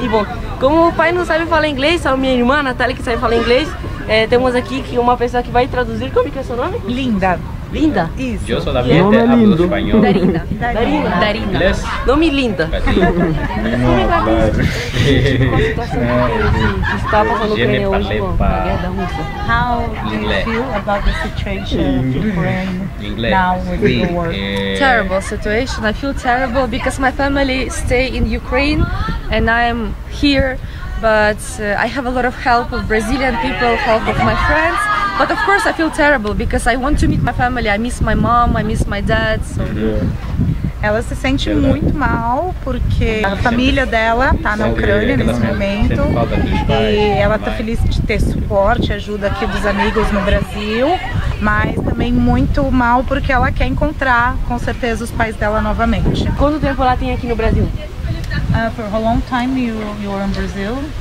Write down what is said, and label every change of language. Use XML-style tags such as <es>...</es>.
<pt>E bom, como o pai não sabe falar inglês, só minha irmã, Natália, que sabe falar inglês, temos aqui uma pessoa que vai traduzir. Como é que é o seu nome? Linda. Linda? Isso. Eu sou da minha terra, hablo espanhol. Darinda. Les... Nome Linda. Como é que está passando na Ucrânia hoje, bom, na guerra da Rússia?</pt> <en>How do you feel about the situation in Ukraine? Terrible situation. I feel terrible because my family stay in Ukraine and I'm here, but I have a lot of help of Brazilian people, help of my friends. But of course I feel terrible because I want to meet my family. I miss my mom, I miss my dad. So.</en> <pt>Ela se sente muito mal porque a família dela está na Ucrânia nesse momento. E ela está feliz de ter suporte, ajuda aqui dos amigos no Brasil. Mas também muito mal porque ela quer encontrar, com certeza, os pais dela novamente. Quanto tempo ela tem aqui no Brasil?</pt> <en>For how long time you are in Brazil?</en>